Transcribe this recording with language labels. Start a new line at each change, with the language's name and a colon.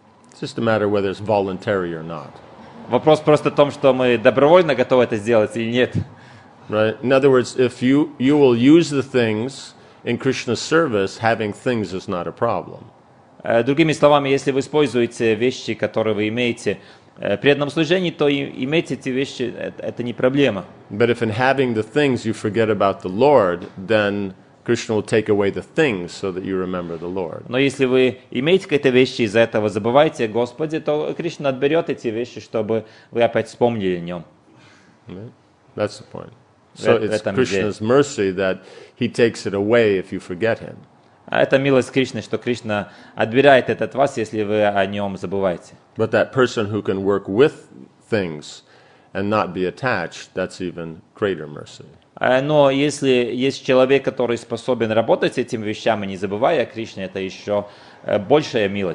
English: It's just a matter of whether it's voluntary or not.
Russian: Вопрос просто в том, что мы добровольно готовы это сделать или нет.
English: Right. In other words, if you will use the things in Krishna's service, having things is not a problem.
Russian: Другими словами, если вы используете вещи, которые вы имеете при одном служении, то иметь эти вещи это не проблема.
English: But if in having the things you forget about the Lord, then Krishna will take away the things so that you remember the Lord.
Russian: Но если вы имеете какие-то вещи из-за этого, забываете о Господе, то Кришна отберет эти вещи, чтобы вы опять вспомнили о нем.
English: That's the point. So it's Krishna's mercy that he takes it away if you forget him.
Russian: Это милость Кришны, что Кришна отбирает это от вас, если вы о нем забываете.
English: But that person who can work with things and not be attached, that's even greater mercy.
Russian: Но если есть человек, который способен работать с этими вещами, не забывая о Кришне, это еще большая